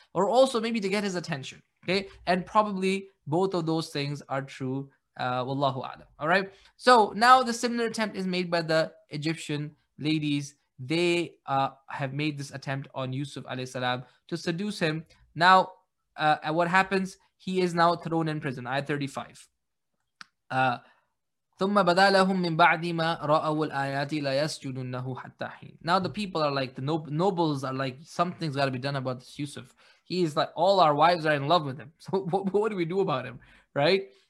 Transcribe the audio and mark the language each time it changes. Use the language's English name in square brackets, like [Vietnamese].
[English] Or also maybe to get his attention. Okay, and probably both of those things are true. Wallahu a'lam. All right. So now the similar attempt is made by the Egyptian ladies. They have made this attempt on Yusuf alayhi salam to seduce him. Now, what happens? He is now thrown in prison. Ayah 35. [Arabic] ثم بدا لهم من بعد ما رأوا الآيات لا يسجدونه حتى حين. [English] Now the people are like, the nobles are like, something's got to be done about this Yusuf. He is like, all our wives are in love with him. So what do we do about him, right?